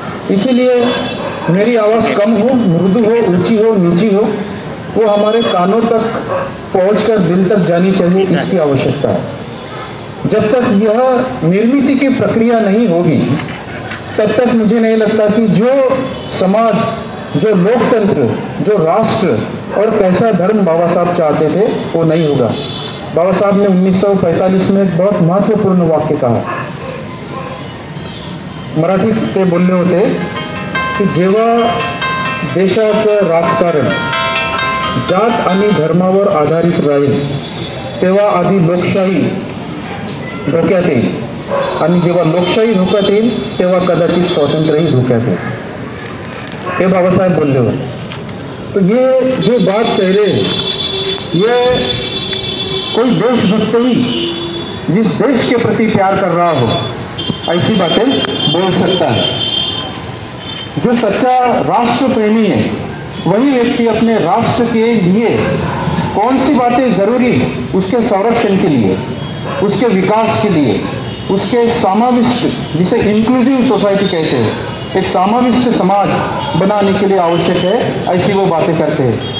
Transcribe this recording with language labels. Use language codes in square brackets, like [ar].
[hi] इसीलिए मेरी आवाज़ कम हो, मृदु हो, ऊंची हो, नीची हो, वो हमारे कानों तक पहुँच कर दिल तक जानी चाहिए, इसकी आवश्यकता है। जब तक यह निर्मिति की प्रक्रिया नहीं होगी, तब तक मुझे नहीं लगता कि जो समाज, जो लोकतंत्र, जो राष्ट्र और कैसा धर्म बाबा साहब चाहते थे, वो नहीं होगा। बाबा साहब ने 1945 में बहुत महत्वपूर्ण वाक्य कहा, [mr] मराठी ते बोलले होते कि जेव्हा देशाचं राजकारण जात आणि धर्मावर आधारित राहील, तेव्हा आधी लोकशाही धोक्यात येईल, आणि जेव्हा लोकशाही धोक्यात येईल, तेव्हा कदाचित स्वातंत्र्यही धोक्यात येईल, हे बाबासाहेब बोलले होते। [hi] तो ये जो बात कह रहे हैं, ये कोई देशभक्त ही जिस देश के प्रति प्यार कर रहा हो ऐसी बातें बोल सकता है। जो सच्चा राष्ट्रप्रेमी है, वही व्यक्ति अपने राष्ट्र के लिए कौन सी बातें जरूरी, उसके संरक्षण के लिए, उसके विकास के लिए, उसके समाविष्ट, जिसे इंक्लूसिव सोसाइटी कहते हैं, एक समाविष्ट समाज बनाने के लिए आवश्यक है, ऐसी वो बातें करते हैं।